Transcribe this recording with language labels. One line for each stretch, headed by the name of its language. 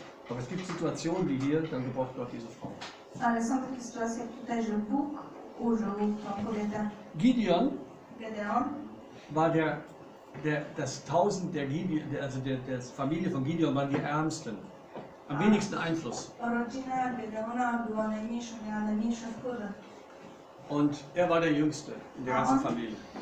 German: Aber es gibt Situationen wie hier, dann gebraucht Gott diese Frau.
Polish: Ale są takie sytuacje tutaj, że Bóg użył tą kobietę.
German: Gideon war das Tausend der Gideon, also der Familie von Gideon waren die Ärmsten. Am wenigsten Einfluss.
Polish: Rodzina Gideona była najmniejsza, miała najmniejsze wpływy.
German: Und er war der Jüngste in der ganzen Familie.